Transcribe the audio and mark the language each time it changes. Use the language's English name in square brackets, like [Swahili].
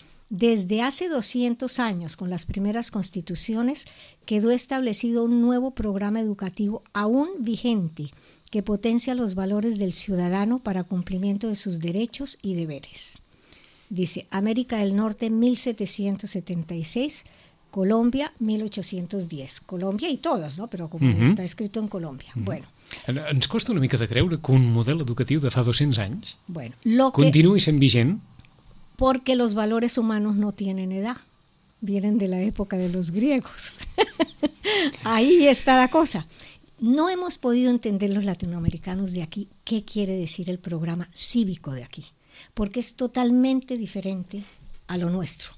[Spanish] Desde hace 200 años, con las primeras constituciones, quedó establecido un nuevo programa educativo aún vigente que potencia los valores del ciudadano para cumplimiento de sus derechos y deberes. Dice, América del Norte, 1776, Colombia, 1810. Colombia y todos, ¿no? Pero como está escrito en Colombia. Bueno. [Catalan] ¿Ens costa una mica de creure que un model educatiu de fa 200 anys [Spanish] bueno, [Catalan] continuï sent vigent? [Spanish] Porque los valores humanos no tienen edad. Vienen de la época de los griegos. Ahí está la cosa. No hemos podido entender los latinoamericanos de aquí qué quiere decir el programa cívico de aquí, porque es totalmente diferente a lo nuestro.